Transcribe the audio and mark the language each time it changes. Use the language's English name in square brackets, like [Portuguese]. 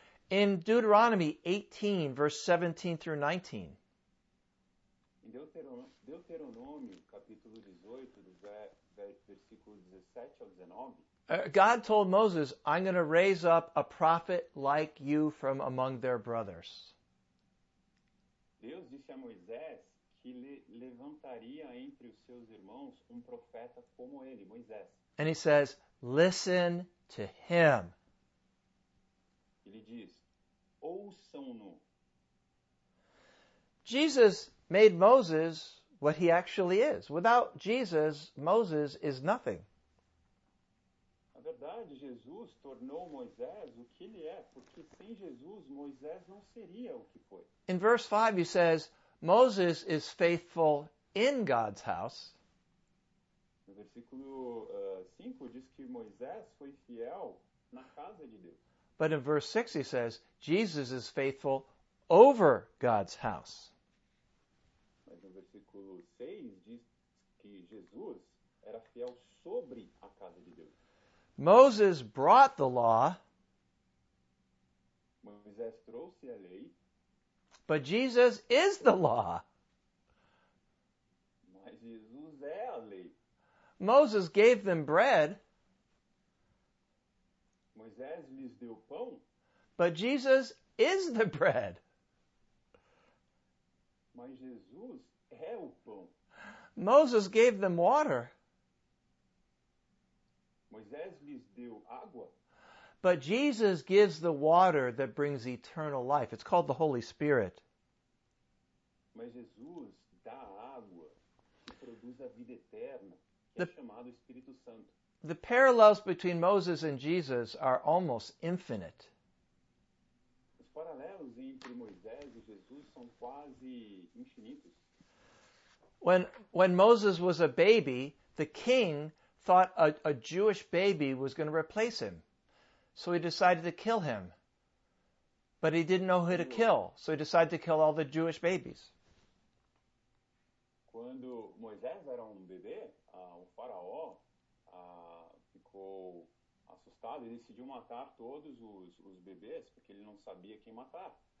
[English] In Deuteronomy 18, verse 17 through 19, [Portuguese] Deuteronômio, capítulo 18, versículo 17 ao 19. [English] God told Moses, I'm going to raise up a prophet like you from among their brothers. [Portuguese] Deus disse a Moisés que levantaria entre os seus irmãos profeta como ele, Moisés. [English] And he says, listen to him. [Portuguese] Ele diz, ouçam-no. [English] Jesus made Moses what he actually is. Without Jesus, Moses is nothing. [Portuguese] verdade, Jesus tornou Moisés o que ele é, porque sem Jesus, Moisés não seria o que foi. [English] In verse 5, he says, Moses is faithful in God's house. [Portuguese] No versículo 5, diz que Moisés foi fiel na casa de Deus. [English] But in verse 6, he says, Jesus is faithful over God's house. [Portuguese] Mas no versículo 6, diz que Jesus era fiel sobre a casa de Deus. [English] Moses brought the law. [Portuguese] Moisés trouxe a lei. [English] But Jesus is the law. [Portuguese] Mas Jesus é a lei. [English] Moses gave them bread. [Portuguese] Moisés lhes deu pão. [English] But Jesus is the bread. [Portuguese] Mas Jesus é o pão. [English] Moses gave them water. [Portuguese] Moisés lhes deu água. [English] But Jesus gives the water that brings eternal life. It's called the Holy Spirit. [Portuguese] Mas Jesus dá água que produz a vida eterna, que é chamado Espírito Santo. [English] The parallels between Moses and Jesus are almost infinite. [Portuguese] Os paralelos entre Moisés e Jesus são quase infinitos. [English] When Moses was a baby, the king thought a Jewish baby was going to replace him. So he decided to kill him. But he didn't know who to kill. So he decided to kill all the Jewish babies. [Portuguese] Quando Moisés era bebê, o faraó ficou assustado e decidiu matar todos os bebês porque ele não sabia quem matar.